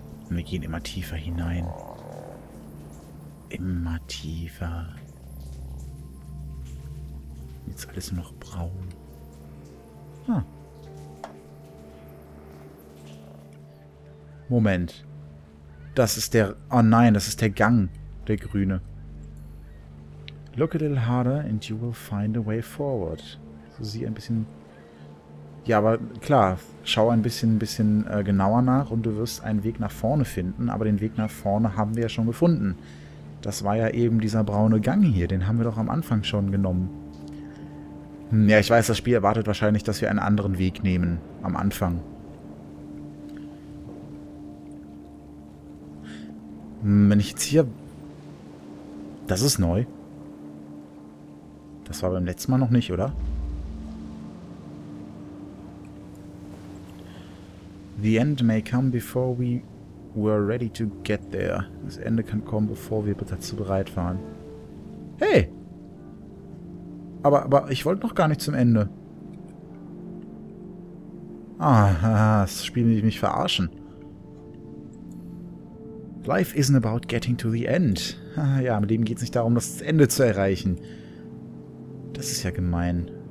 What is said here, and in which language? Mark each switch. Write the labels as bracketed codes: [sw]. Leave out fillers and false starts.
[de] Und wir gehen immer tiefer hinein. Immer tiefer. Jetzt alles nur noch braun. Moment. Das ist der. Oh nein, das ist der Gang, der grüne. [en] Look a little harder and you will find a way forward. [de] So sieh ein bisschen. Ja, aber klar, schau ein bisschen genauer nach und du wirst einen Weg nach vorne finden. Aber den Weg nach vorne haben wir ja schon gefunden. Das war ja eben dieser braune Gang hier. Den haben wir doch am Anfang schon genommen. Ja, ich weiß, das Spiel erwartet wahrscheinlich, dass wir einen anderen Weg nehmen am Anfang. Wenn ich jetzt hier. Das ist neu. Das war beim letzten Mal noch nicht, oder? [en] The end may come before we were ready to get there. [de] Das Ende kann kommen, bevor wir dazu bereit waren. Hey! Aber ich wollte noch gar nicht zum Ende. Ah, das Spiel will mich verarschen. [en] Life isn't about getting to the end. [de] Ja, im Leben geht es nicht darum, das Ende zu erreichen. Das ist ja gemein.